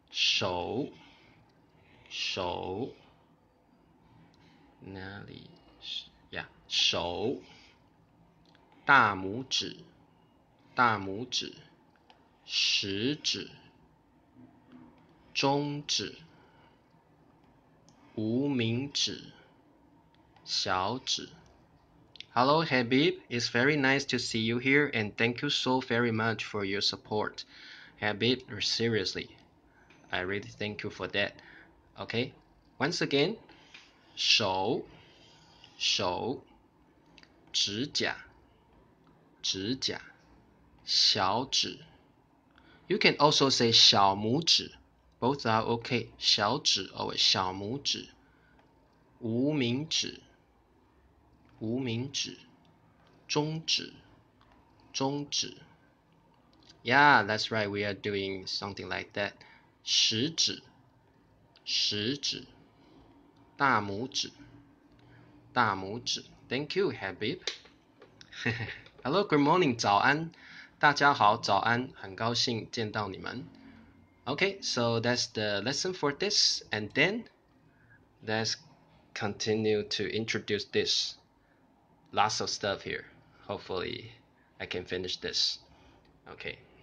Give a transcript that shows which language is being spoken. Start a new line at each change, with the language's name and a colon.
Chinese: 手手哪里 yeah, 手大拇指，大拇指，食指，中指，无名指，小指，
English: Hello, Habib. It's very nice to see you here, and thank you so very much for your support. Habib, seriously, I really thank you for that. Okay, once again,
Chinese: shǒu, shǒu, 指甲, 指甲, 小指.
English: You can also say 小拇指, both are okay, 小指 or 小拇指,
Chinese: 无名指, 无名指, 中指, 中指.
English: Yeah, that's right, we are doing something like that.
Chinese: 食指, 食指, 大拇指, 大拇指.
English: Thank you,
Chinese: Habib.
English: Hello, good morning, 早安。
Chinese: 大家好，早安，很高兴见到你们。
English: Okay, so that's the lesson for this, and then let's continue to introduce this. Lots of stuff here. Hopefully, I can finish this. Okay.